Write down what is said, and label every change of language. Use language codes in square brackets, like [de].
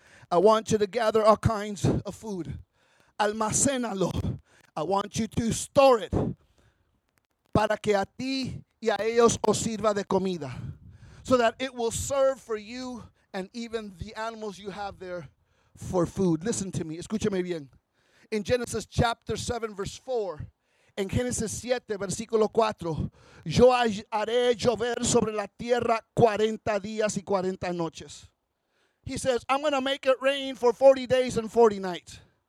[en] I want you to gather all kinds of food. [es] Almacénalo. [en] I want you to store it. [es] Para que a ti y a ellos os sirva de comida. [en] So that it will serve for you and even the animals you have there for food. Listen to me. [es] Escúchame bien. [en] In Genesis chapter 7 verse 4. [es] En Génesis 7, versículo 4, yo haré llover sobre la tierra 40 días y 40 noches. [en] He says, I'm going to make it rain for 40 days and 40 nights.